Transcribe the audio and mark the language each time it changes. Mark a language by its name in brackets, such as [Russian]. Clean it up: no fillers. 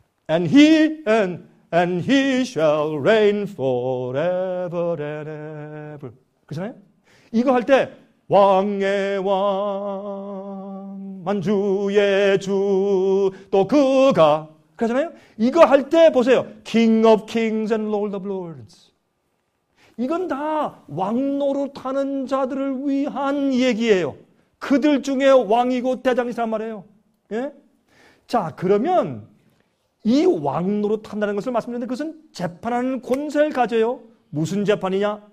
[English] And he shall reign forever and ever. [Korean] 그렇잖아요. 이거 할 때 왕의 왕 만주의 주 또 그가 그렇잖아요. 이거 할 때 보세요. [English] King of kings and Lord of lords. [Korean] 이건 다 왕노릇하는 자들을 위한 얘기예요. 그들 중에 왕이고 대장이란 말이에요. 예? 자, 그러면 이 왕노릇한다는 것을 말씀드렸는데 그것은 재판하는 권세를 가져요. 무슨 재판이냐?